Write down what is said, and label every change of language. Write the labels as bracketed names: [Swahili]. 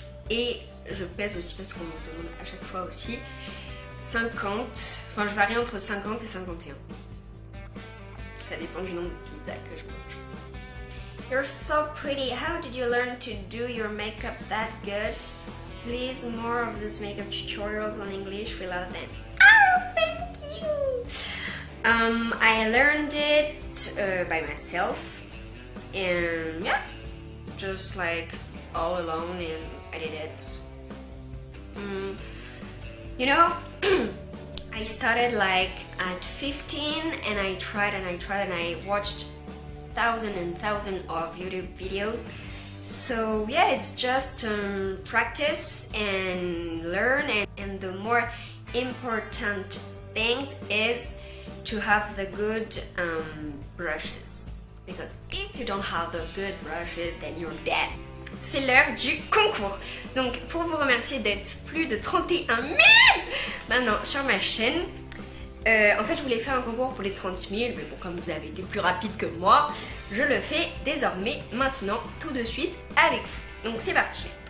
[French] Et je pèse aussi, parce qu'on me demande à chaque fois aussi, 50, enfin je varie entre 50 et 51. Ça dépend du nombre de pizzas que je mange. [English] You're so pretty, how did you learn to do your makeup that good? Please, more of these makeup tutorials on English, we love them. Oh, thank you! I learned it by myself. And yeah, just like all alone and I did it. You know, I started like at 15 and I tried and I tried and I watched thousands and thousands of YouTube videos. So yeah, it's just practice and learn, and the more important things is to have the good brushes, because if you don't have the good brushes, then you're dead. [French] C'est l'heure du concours. Donc pour vous remercier d'être plus de 31 000 maintenant sur ma chaîne, en fait je voulais faire un concours pour les 30 000, mais bon, comme vous avez été plus rapide que moi, je le fais désormais, maintenant, tout de suite avec vous. Donc c'est parti.